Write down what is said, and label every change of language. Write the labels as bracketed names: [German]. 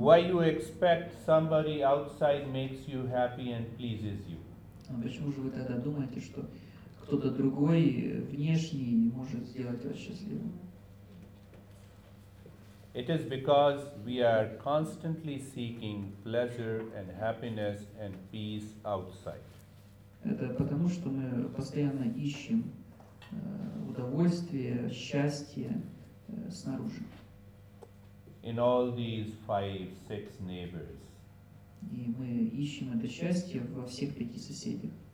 [English] Why you expect somebody outside makes you happy and pleases you? [Russian] А почему же вы тогда думаете, что кто-то другой внешний может сделать вас счастливым? [English] It is because we are constantly seeking pleasure and happiness and peace outside. [Russian] Это потому, что мы постоянно ищем удовольствие, счастье снаружи. [English] In all these 5-6 neighbors. [Russian] И мы ищем это счастье во всех пяти соседях.